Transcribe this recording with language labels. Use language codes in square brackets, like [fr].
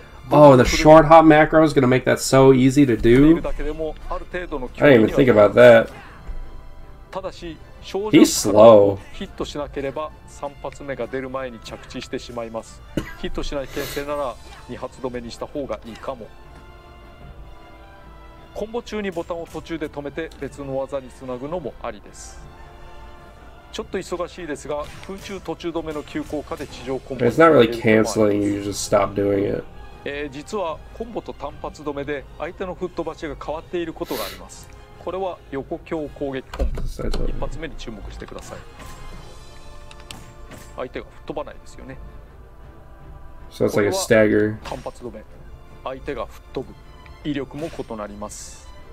[en] Oh, the short hop macro is gonna make that so easy to do. I didn't even think about that. [ja] ただし、 [en] He's slow. [ja] ヒットしなければ3発目が出る前に着地してしまいます。ヒットしない牽制なら2発止めにした方がいいかも。コンボ中にボタンを途中で止めて別の技につなぐのもありです。ちょっと忙しいですが、空中途中止めの急降下で地上コンボ [en] を。It's not really canceling, you just stop doing it. [ja] 実はコンボと単発止めで相手の吹っ飛ばしが変わっていることがあります。これは横強攻撃コンボ。一発目に注目してください。相手が吹っ飛ばないですよね。 [en] So it's like a stagger. [ja] 単発止め。相手が吹っ飛ぶ。威力も異なります。